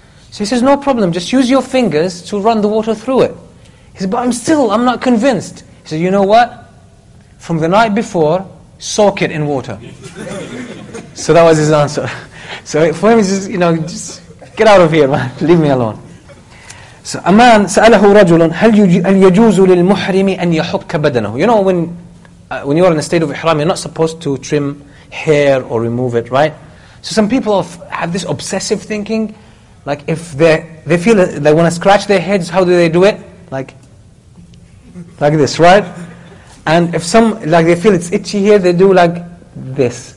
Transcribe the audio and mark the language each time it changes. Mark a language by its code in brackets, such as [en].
[en] So he says, no problem, just use your fingers to run the water through it. He says, but I'm not convinced. He says, you know what? From the night before, soak it in water. So that was his answer. So for him, he says, you know, just get out of here, man. Leave me alone. So a man [ar] سأله رجل هل يجوز للمحرم أن يحك بدنه. [en] You know, when you are in a state of ihram, you're not supposed to trim hair or remove it, right? So some people have this obsessive thinking, like if they feel they want to scratch their heads, how do they do it? Like this, right? And if some, like they feel it's itchy here, they do like this.